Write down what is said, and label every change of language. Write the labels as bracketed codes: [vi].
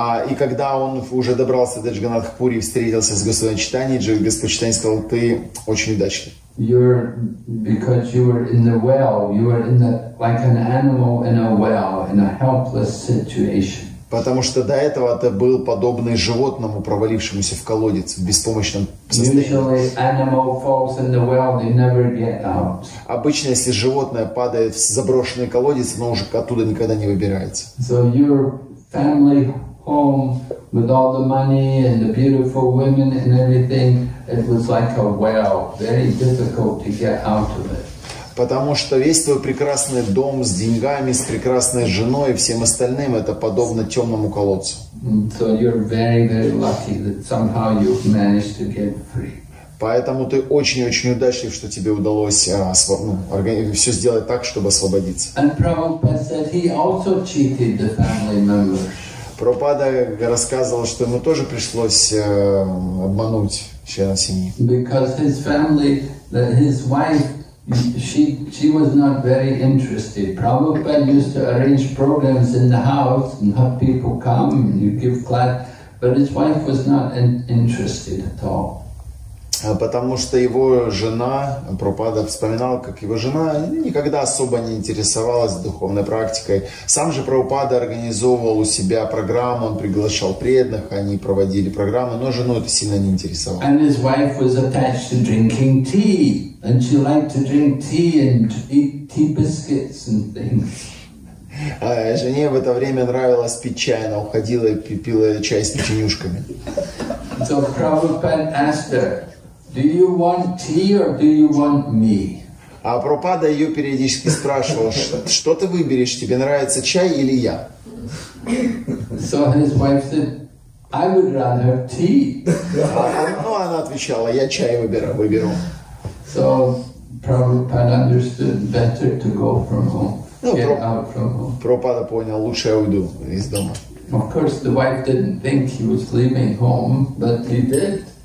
[ru] И когда он уже добрался до Джаганнатхапури и встретился с Господом Чайтаньей, Господь Чайтанья сказал, ты очень удачный. [en] You're because you were in the well. You were in the like an animal in a well, in a helpless situation. [ru] Потому что до этого ты был подобный животному, провалившемуся в колодец, в беспомощном состоянии. [en] Usually, animal falls in the well; they never get out. [ru] Обычно, если животное падает в заброшенный колодец, оно уже оттуда никогда не выбирается. [en] So your family home with all the money and the beautiful women and everything. It was like a well, very difficult to get out of it. [ru] Потому что весь твой прекрасный дом с деньгами, с прекрасной женой и всем остальным, это подобно темному колодцу. [en] So you're very, very lucky that somehow you've managed to get free. [ru] Поэтому ты очень-очень удачлив, что тебе удалось все сделать так, чтобы освободиться. [en] And Prabhupada said he also cheated the family members. [ru] Прабхупада рассказывал, что ему тоже пришлось обмануть членов семьи. [en] Because his family, his wife, she was not very interested. Prabhupada used to arrange programs in the house and have people come and you give class, but his wife was not interested at all. [ru] Потому что его жена, Прабхупада вспоминал, как его жена никогда особо не интересовалась духовной практикой. Сам же Прабхупада организовывал у себя программу, он приглашал преданных, они проводили программы, но жену это сильно не интересовало. [en] And his wife was attached to drinking tea, and she liked to drink tea and eat tea biscuits and things. [ru] Жене в это время нравилось пить чай, она уходила и пила чай с печенюшками. [en] So Prabhupada asked her, do you want tea or do you want me? [ru] А Прабхупада ее периодически спрашивал, что ты выберешь, тебе нравится чай или я? [en] So his wife said, I would rather tea. [ru] Она отвечала, я чай выберу. [en] So Prabhupada understood better to go from home, get out from home. [ru] Прабхупада понял, лучше я уйду из дома. [en] Of course, the wife didn't think he was leaving home, but he did.